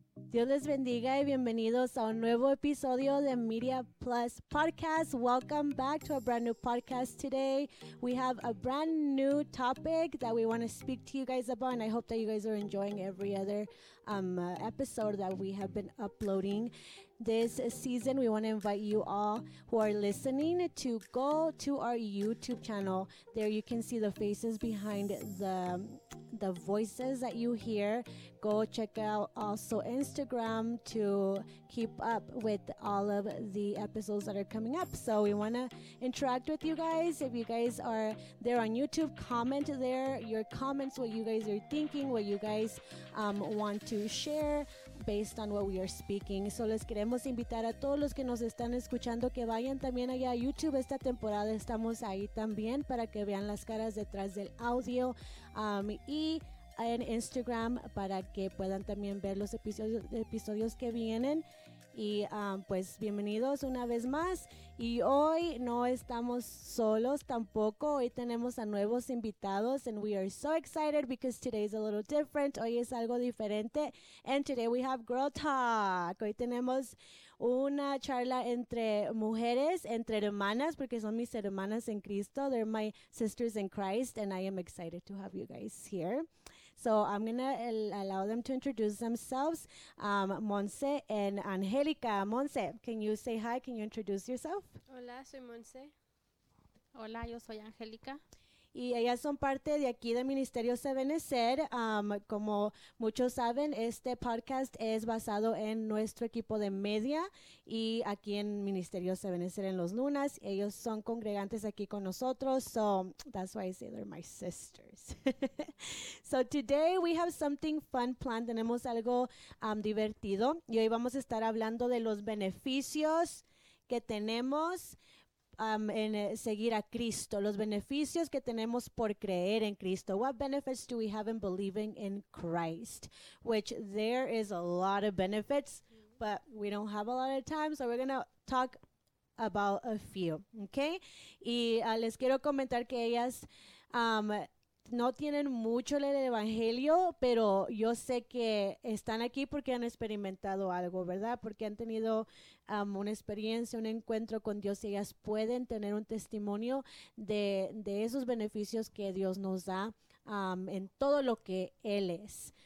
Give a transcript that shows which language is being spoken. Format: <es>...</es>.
<es>Dios les bendiga y bienvenidos a un nuevo episodio de Media Plus Podcast.</es> <en>Welcome back to a brand new podcast today. We have a brand new topic that we want to speak to you guys about, and I hope that you guys are enjoying every other episode that we have been uploading. This season, we want to invite you all who are listening to go to our YouTube channel. There you can see the faces behind the voices that you hear. Go check out also Instagram to keep up with all of the episodes that are coming up. So we want to interact with you guys. If you guys are there on YouTube, comment there your comments, what you guys are thinking, what you guys want to share based on what we are speaking.</en> <es>So les queremos invitar a todos los que nos están escuchando que vayan también allá a YouTube. Esta temporada estamos ahí también para que vean las caras detrás del audio y en Instagram para que puedan también ver los episodios que vienen. Y pues bienvenidos una vez más. Y hoy no estamos solos tampoco. Hoy tenemos a nuevos invitados,</es> <en>and we are so excited because today is a little different.</en> <es>Hoy es algo diferente.</es> <en>And today we have Girl Talk.</en> <es>Hoy tenemos una charla entre mujeres, entre hermanas, porque son mis hermanas en Cristo.</es> <en>They're my sisters in Christ, and I am excited to have you guys here. So I'm going to allow them to introduce themselves, Monse and Angelica. Monse, can you say hi? Can you introduce yourself?</en> <es>Hola, soy Monse. Hola, yo soy Angelica. Y ellas son parte de aquí de Ministerio Sevenecer. Como muchos saben, este podcast es basado en nuestro equipo de media y aquí en Ministerio Sevenecer en Los Lunas. Ellos son congregantes aquí con nosotros.</es> <en>So that's why I say they're my sisters. So today we have something fun planned.</en> <es>Tenemos algo divertido. Y hoy vamos a estar hablando de los beneficios que tenemos en seguir a Cristo, los beneficios que tenemos por creer en Cristo.</es> <en>What benefits do we have in believing in Christ? Which there is a lot of benefits, but we don't have a lot of time, so we're going to talk about a few, okay?</en> <es>Y les quiero comentar que ellas no tienen mucho el evangelio, pero yo sé que están aquí porque han experimentado algo, ¿verdad? Porque han tenido una experiencia, un encuentro con Dios, y ellas pueden tener un testimonio de esos beneficios que Dios nos da en todo lo que Él es.</es>